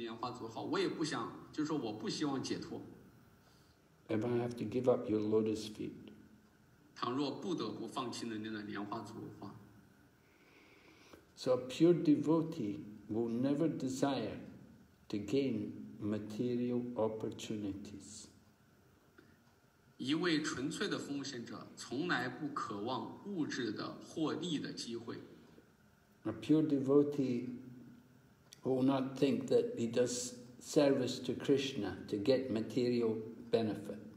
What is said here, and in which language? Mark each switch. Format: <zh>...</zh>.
<zh>如果要我放弃你的莲花足，我也不希望解脱。如果要我放弃你的莲花足的话，我也不想，就是说我不希望解脱。</zh> <en>If I have to give up your lotus feet.</en> <zh>倘若不得不放弃了您的莲花足的话,</zh> <en>so a pure devotee will never desire to gain material opportunities.</en> <zh>一位纯粹的奉献者从来不渴望物质的获利的机会。</zh> <en>A pure devotee will not think that he does service to Krishna to get material benefit.</en>